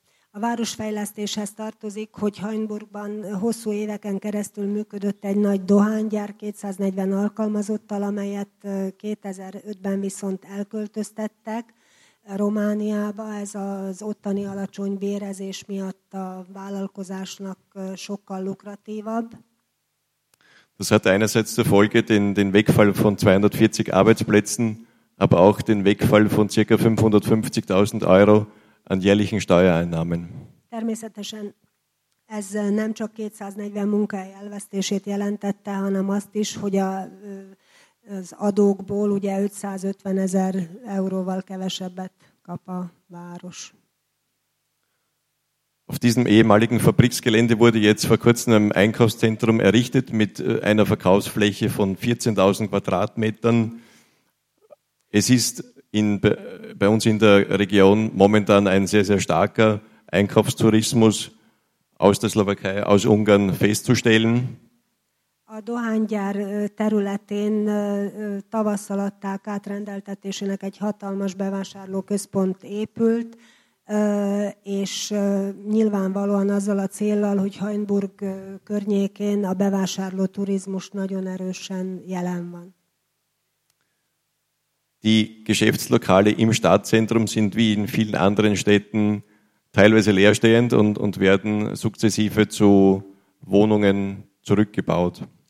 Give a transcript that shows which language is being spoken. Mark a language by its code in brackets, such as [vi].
[hu] A városfejlesztéshez tartozik, hogy Hainburgban hosszú éveken keresztül működött egy nagy dohánygyár 240 alkalmazottal, amelyet 2005-ben viszont elköltöztettek Romániába. Ez az ottani alacsony bérezés miatt a vállalkozásnak sokkal lukratívabb. [de] Das hat einerseits zur Folge den Wegfall von 240 Arbeitsplätzen, aber auch den Wegfall von ca. 550.000 Euro an jährlichen Steuereinnahmen. [hu] Természetesen ez nem csak 240 munkahely elvesztését jelentette, hanem azt is, hogy az adókból ugye 550.000 euróval kevesebbet kap a város. [de] Auf diesem ehemaligen Fabriksgelände wurde jetzt vor kurzem ein Einkaufszentrum errichtet mit einer Verkaufsfläche von 14.000 Quadratmetern. Es ist bei uns in der Region momentan ein sehr, sehr starker Einkaufstourismus aus der Slowakei, aus Ungarn festzustellen. [hu] A dohánygyár területén tavasszal adták át rendeltetésének egy hatalmas bevásárlóközpont épült, és nyilvánvalóan azzal a céllal, hogy Hainburg környékén a bevásárló turizmus nagyon erősen jelen van. [de] Die Geschäftslokale im Stadtzentrum sind wie in vielen anderen Städten teilweise leerstehend und werden sukzessive zu Wohnungen zurückgebaut.